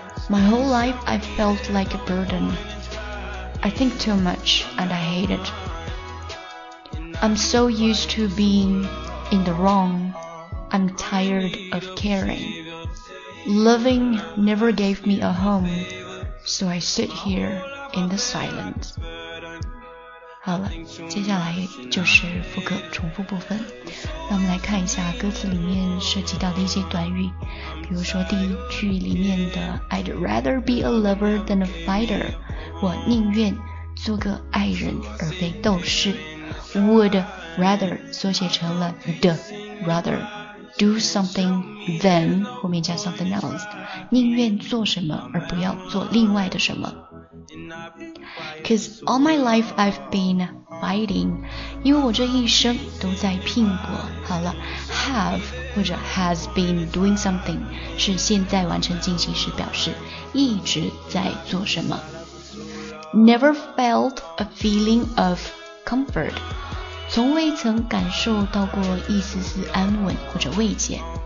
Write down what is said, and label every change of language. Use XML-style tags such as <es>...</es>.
<en>My whole life I felt like a burden. I think too much and I hate it. I'm so used to being in the wrong. I'm tired of caring. Living never gave me a home, so I sit here in the silence.</en> <zh>好了，接下来就是副歌重复部分。那我们来看一下歌词里面涉及到的一些短语，比如说第一句里面的</zh> <en>I'd rather be a lover than a fighter，</en> <zh>我宁愿做个爱人而非斗士。</zh> <en>Would rather</en> <zh>缩写成了</zh> <en>the rather。 Do something then</en> <zh>后面加</zh> <en>something else，</en> <zh>宁愿做什么而不要做另外的什么。</zh> <en>Cause all my life I've been fighting，</en> <zh>因为我这一生都在拼搏。好了， have 或者</zh> <en>has been doing something</en> <zh>是现在完成进行时，表示一直在做什么。</zh> <en>Never felt a feeling of comfort，</en> <zh>从未曾感受到过一丝丝安稳或者慰藉。</zh>